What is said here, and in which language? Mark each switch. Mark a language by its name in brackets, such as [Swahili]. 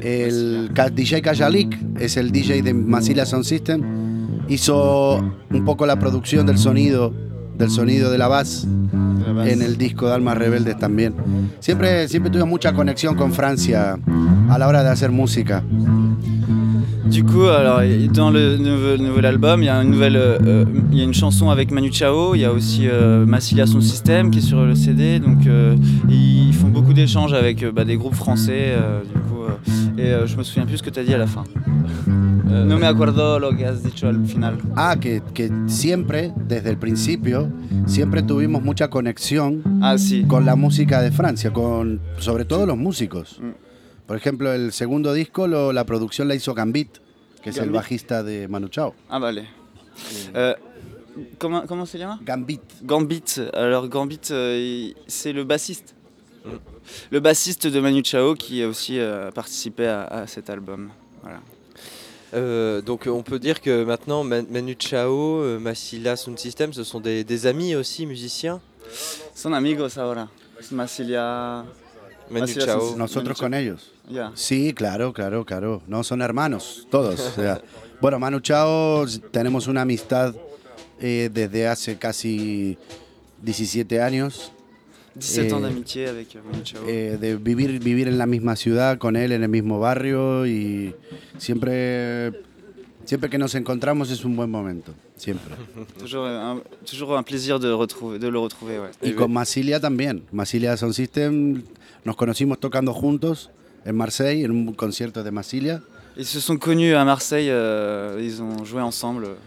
[Spanish] El Marseille. DJ Kajalik es el DJ de Masilia Sound System. Hizo un poco la producción del sonido de la bass. De la en el disco de Almas Rebeldes también. Siempre tuve mucha conexión con Francia a la hora de hacer música. [French] Du coup, alors, dans le nouvel album, il y a une nouvelle, il y a une chanson avec Manu Chao, il y a aussi Massilia Son System qui est sur le CD, donc ils font beaucoup d'échanges avec des groupes français, du coup, je me souviens plus ce que tu as dit à la fin. [Spanish] No me acuerdo lo que has dicho al final. Ah, que siempre, desde el principio, siempre tuvimos mucha conexión con la música de Francia, con sobre todo los músicos. Por ejemplo, el segundo disco, la producción la hizo Gambit, que es el bajista de Manu Chao. Ah, vale. ¿Cómo se llama? Gambit. Gambit. [French] Alors, Gambit, c'est le bassiste. Le bassiste de Manu Chao qui a aussi participé à cet album. Voilà. Donc on peut dire que maintenant Manu Chao, Massilia Sound System, ce sont des amis aussi, musiciens. [Spanish] Son amigos ahora. Massilia. Manu Chao. Nosotros Manu con ellos. Yeah. Sí, claro. No, son hermanos, todos. O sea. Bueno, Manu Chao, tenemos una amistad desde hace casi 17 años. 17 años de amistad con Manu Chao. De vivir en la misma ciudad con él, en el mismo barrio, y siempre que nos encontramos es un buen momento, siempre. [French] toujours un plaisir de le retrouver. Ouais. [Spanish] Y con Massilia también. Massilia Sound System, nos conocimos tocando juntos en Marseille, en un concierto de Massilia. [French] Ils se sont connus à Marseille, ils ont joué ensemble.